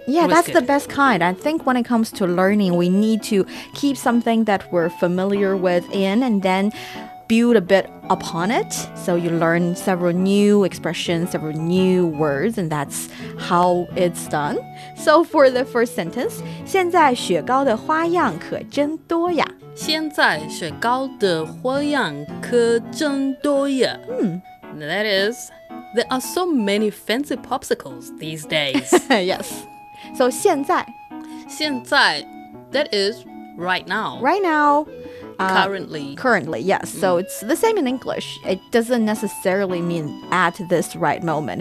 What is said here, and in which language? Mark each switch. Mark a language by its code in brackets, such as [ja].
[en] Yeah, that's the best kind. I think when it comes to learning, we need to keep something that we're familiar with in and then build a bit upon it. So you learn several new expressions, several new words, and that's how it's done. So for the first sentence, [zh] 现在雪糕的花样可真多呀。现在雪糕的花样可真多呀。 [en] That is, there are so many fancy popsicles these days. Yes. So 现在。现在, that is right now. Right now. Currently. Currently, yes. So it's the same in English. It doesn't necessarily mean at this right moment.